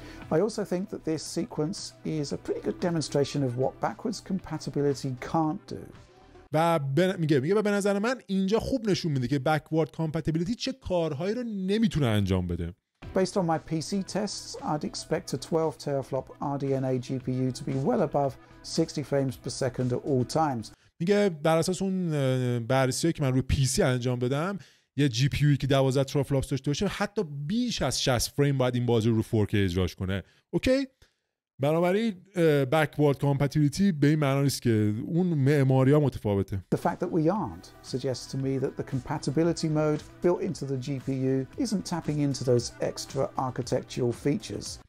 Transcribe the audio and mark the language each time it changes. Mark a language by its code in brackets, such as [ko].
[en] I also think that this sequence is a pretty good demonstration of what backwards compatibility can't do. [fa] و میگه به نظر من اینجا خوب نشون میده که backward compatibility چه کارهایی رو نمیتونه انجام بده. [en] Based on my PC tests, I'd expect a 12 teraflop RDNA GPU to be well above 60 frames per second at all times. [fa] میگه بر اساس اون بررسی که من روی PC انجام دادم یه جی پی یو که 12 تروفلوپس داشته باشه حتی بیش از 60 فریم باید این بازی رو 4K اجراش کنه. اوکی، بنابراین بکورد کامپتیبیلیتی به این معنی نیست که اون معماری ها متفاوته. [en] The fact that we aren't suggests to me that the compatibility mode built into the GPU isn't tapping into those extra architectural features.